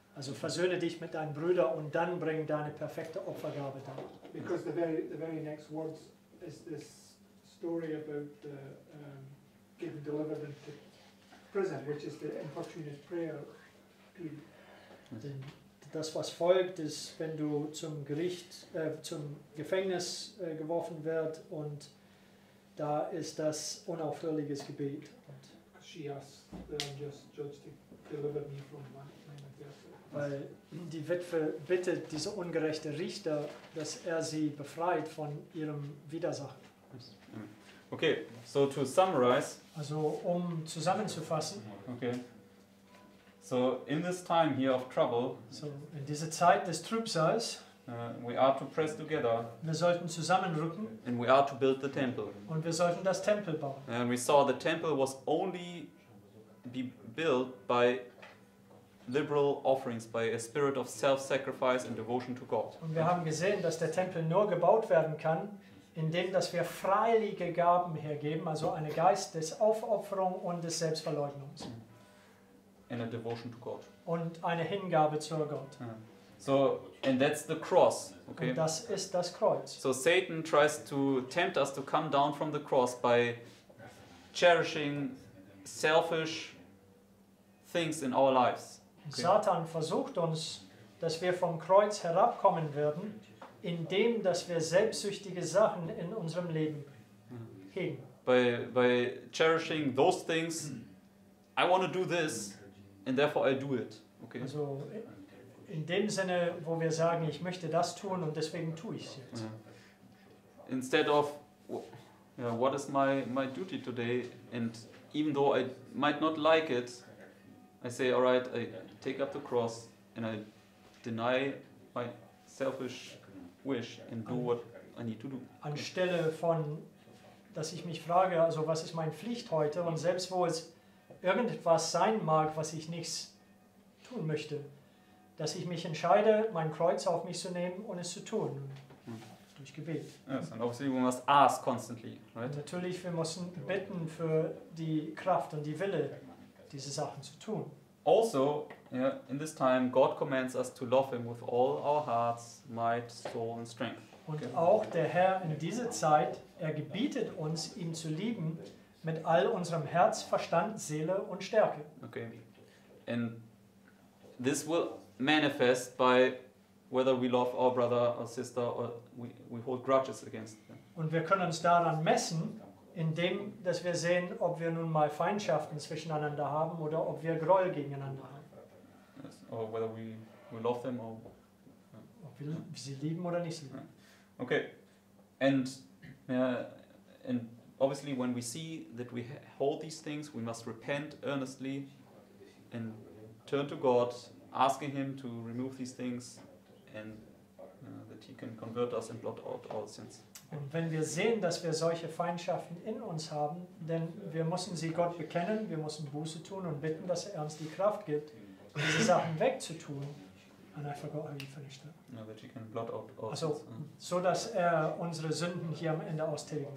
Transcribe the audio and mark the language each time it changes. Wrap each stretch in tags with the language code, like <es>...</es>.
<de>Also versöhne dich mit deinem Bruder und dann bring deine perfekte Opfergabe dar.</de> <en>Because the very next words is this story about the given delivered into prison, which is the importunate prayer period.</en> <de>Denn das, was folgt, ist, wenn du zum Gericht, zum Gefängnis geworfen wirst, und da ist das unaufhörliches Gebet. Und</de> <en>she asks the unjust judge to deliver me from my</en> <de>weil die Witwe bittet diese ungerechte Richter, dass er sie befreit von ihrem Widersacher.</de> <en>Okay, so to summarize.</en> <de>Also um zusammenzufassen.</de> <en>Okay. So in this time here of trouble.</en> <de>So in dieser Zeit des Trübsals.</de> <en>We are to press together.</en> <de>Wir sollten zusammenrücken.</de> <en>And we are to build the temple.</en> <de>Und wir sollten das Tempel bauen.</de> <en>And we saw the temple was only be built by liberal offerings, by a spirit of self-sacrifice and devotion to God.</en> <de>Und wir haben gesehen, dass der Tempel nur gebaut werden kann, indem dass wir freiwillige Gaben hergeben, also eine Geist des Aufopferung und des Selbstverleugnungs.</de> <en>And a devotion to God.</en> <de>Und eine Hingabe zu Gott.</de> <en>So, and that's the cross. Okay.</en> <de>Und das ist das Kreuz.</de> <en>So Satan tries to tempt us to come down from the cross by cherishing selfish things in our lives. Okay.</en> <de>Satan versucht uns, dass wir vom Kreuz herabkommen werden, indem dass wir selbstsüchtige Sachen in unserem Leben hegen.</de> <en>By cherishing those things, I want to do this, and therefore I do it. Okay.</en> <de>Also in dem Sinne, wo wir sagen, ich möchte das tun und deswegen tue ich es jetzt.</de> <en>Yeah. Instead of what is my duty today, and even though I might not like it, I say, all right, I take up the cross and I deny my selfish wish and do what I need to do.</en> <de>Anstelle von, dass ich mich frage, also was ist meine Pflicht heute, und selbst wo es irgendwas sein mag, was ich nicht tun möchte, dass ich mich entscheide, mein Kreuz auf mich zu nehmen und es zu tun. Durch Gebet.</de> <en>Yes, and obviously we must ask constantly, right?</en> <de>Natürlich, wir müssen bitten für die Kraft und die Wille, diese Sachen zu tun.</de> <en>Also, in this time, God commands us to love him with all our hearts, might, soul and strength.</en> <de>Und auch der Herr in dieser Zeit, er gebietet uns, ihm zu lieben, mit all unserem Herz, Verstand, Seele und Stärke.</de> <en>Okay. And this will manifest by whether we love our brother or sister or we hold grudges against them.</en> <de>Und wir können uns daran messen, indem dass wir sehen, ob wir nun mal Feindschaften zwischeneinander haben oder ob wir Groll gegeneinander haben.</de> <en>Yes. Or whether we love them or</en> <de>ob wir sie lieben oder nicht lieben.</de> <en>Okay. And obviously when we see that we hold these things, we must repent earnestly and turn to God, asking him to remove these things and that he can convert us and blot out all sins.</en> <de>Und wenn wir sehen, dass wir solche Feindschaften in uns haben, denn wir müssen sie Gott bekennen, wir müssen Buße tun und bitten, dass er uns die Kraft gibt, diese Sachen wegzutun.</de> <en>And I forgot how you finished that. No, that he can blot out all sins.</en> <de>So dass er unsere Sünden hier am Ende austilgen kann.</de>